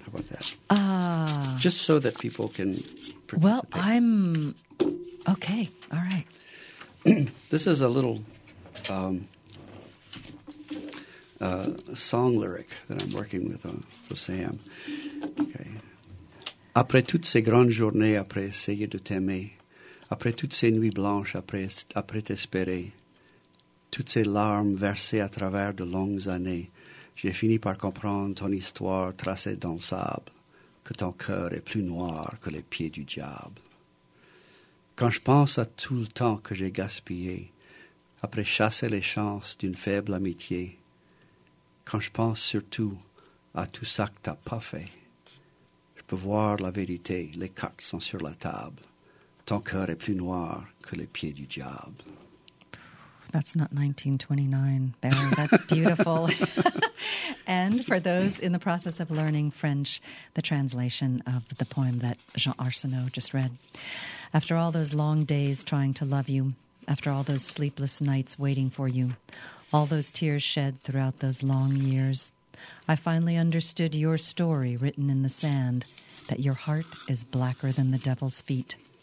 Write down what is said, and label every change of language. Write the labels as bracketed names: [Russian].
[English] How about that? Just so that people can participate. Well, I'm okay. All right. This is a little song lyric that I'm working with for Sam. Okay. [French] Après toutes ces grandes journées, après essayer de t'aimer, après toutes ces nuits blanches, après t'espérer, toutes ces larmes versées à travers de longues années, j'ai fini par comprendre ton histoire tracée dans le sable, que ton cœur est plus noir que les pieds du diable. Quand je pense à tout le temps que j'ai gaspillé, après chasser les chances d'une faible amitié, quand je pense surtout à tout ça que t'as pas fait, je peux voir la vérité, les cartes sont sur la table. Ton cœur est plus noir que les pieds du diable. [English] That's not 1929, Baron. That's beautiful. And for those in the process of learning French, the translation of the poem that Jean Arsenault just read. After all those long days trying to love you, after all those sleepless nights waiting for you, all those tears shed throughout those long years, I finally understood your story written in the sand, that your heart is blacker than the devil's feet.